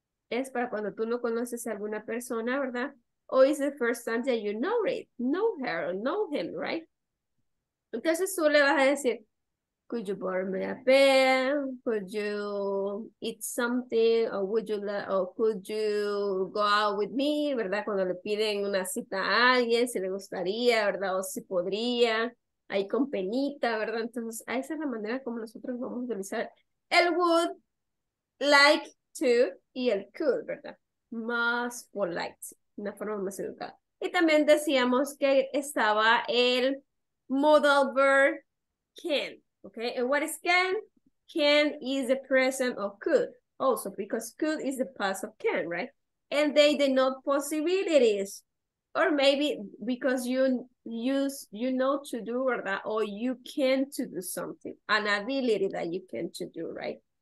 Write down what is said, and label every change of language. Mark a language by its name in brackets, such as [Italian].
[Spanish] Es para cuando tú no conoces a alguna persona, ¿verdad? [English] O is the first time that you know it, know her, or know him, right? [Spanish] Entonces tú le vas a decir, [English] could you borrow me a pen? Could you eat something? Or would you or could you go out with me, [Spanish] ¿verdad? Cuando le piden una cita a alguien, si le gustaría, ¿verdad? O si podría, ahí con penita, ¿verdad? Entonces esa es la manera como nosotros vamos a utilizar el would, like, to y el could, ¿verdad? Más polite, una forma más educada. Y también decíamos que estaba el modal verb can, okay? [English] And what is can? Can is the present of could, also because could is the past of can, right? And they denote possibilities, or maybe because you know to do, [Spanish] ¿verdad? [English] Or you can to do something, an ability that you can to do, right?